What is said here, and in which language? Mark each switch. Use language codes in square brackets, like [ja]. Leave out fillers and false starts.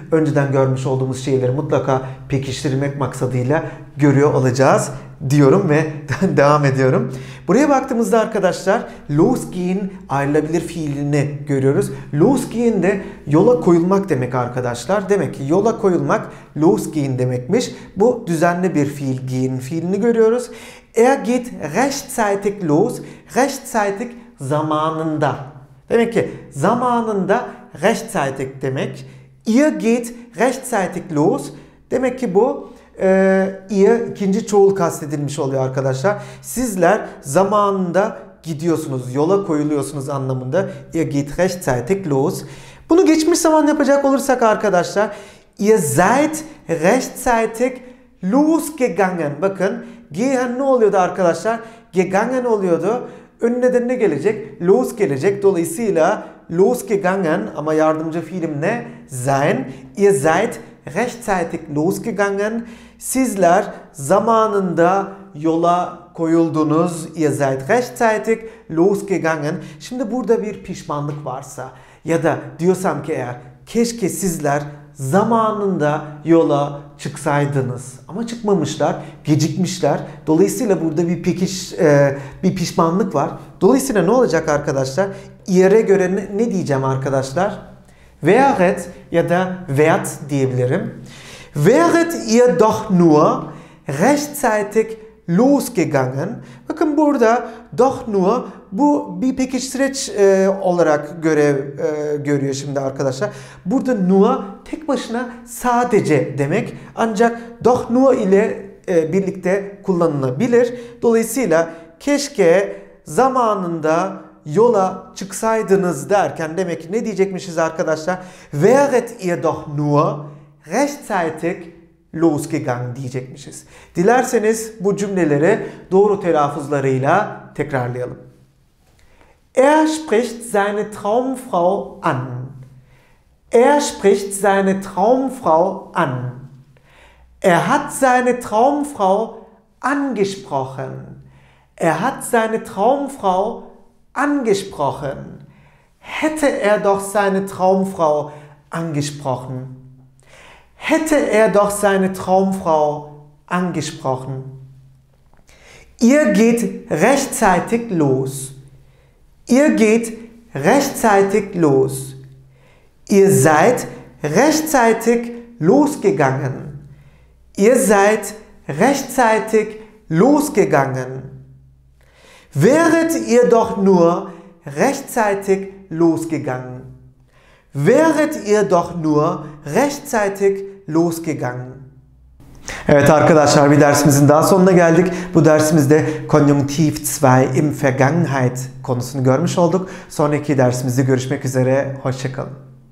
[tr] Önceden görmüş olduğumuz şeyleri mutlaka pekiştirmek maksadıyla görüyor olacağız diyorum ve devam ediyorum. Buraya baktığımızda arkadaşlar losgehen ayrılabilir fiilini görüyoruz. Losgehen de yola koyulmak demek arkadaşlar. Demek ki yola koyulmak losgehen demekmiş. Bu düzenli bir fiil gehen fiilini görüyoruz. [de] Er geht rechtzeitig los. [tr] Rechtzeitig zamanında. Demek ki zamanında rechtzeitig demek. [de] Ihr geht rechtzeitig los. [tr] Demek ki bu ihr ikinci çoğul kastedilmiş oluyor arkadaşlar. Sizler zamanında gidiyorsunuz, yola koyuluyorsunuz anlamında. [de] Ihr geht rechtzeitig los. [tr] Bunu geçmiş zaman yapacak olursak arkadaşlar. [de] Ihr seid rechtzeitig losgegangen. [tr] Bakın gehen ne oluyordu arkadaşlar? Gegangen oluyordu. Önüne de ne gelecek? Los gelecek. Dolayısıyla losgegangen ama yardımcı fiilim ne? [de] Sein. Ihr seid rechtzeitig losgegangen. [tr] Sizler zamanında yola koyuldunuz. [de] Ihr seid rechtzeitig losgegangen. [tr] Şimdi burada bir pişmanlık varsa ya da diyorsam ki eğer keşke sizler zamanında yola çıksaydınız. Ama çıkmamışlar, gecikmişler. Dolayısıyla burada bir pişmanlık var. Dolayısıyla ne olacak arkadaşlar? Yere göre ne diyeceğim arkadaşlar? Wäret ya da wärt diyebilirim. [de] Wäret ihr doch nur rechtzeitig losgegangen. [tr] Bakın burada doch nur bu bir pekiştireç olarak görüyor şimdi arkadaşlar. Burada nur tek başına sadece demek. Ancak doch nur ile birlikte kullanılabilir. Dolayısıyla keşke zamanında yola çıksaydınız derken demek ne diyecekmişiz arkadaşlar? [de] Wäret ihr doch nur rechtzeitig losgegangen [tr] diyecekmişiz. Dilerseniz bu cümleleri doğru telaffuzlarıyla tekrarlayalım. [de] Er spricht seine Traumfrau an. Er spricht seine Traumfrau an. Er hat seine Traumfrau angesprochen. Er hat seine Traumfrau angesprochen. Hätte er doch seine Traumfrau angesprochen. Hätte er doch seine Traumfrau angesprochen. Ihr geht rechtzeitig los. Ihr geht rechtzeitig los. Ihr seid rechtzeitig losgegangen. Ihr seid rechtzeitig losgegangen. Wäret ihr doch nur rechtzeitig losgegangen. Wäret ihr doch nur rechtzeitig losgegangen. [tr] Evet arkadaşlar, bir dersimizin daha sonuna geldik. Bu dersimizde konjunktiv 2 [de] im Vergangenheit [tr] konusunu görmüş olduk. Sonraki dersimizde görüşmek üzere. Hoşça kalın.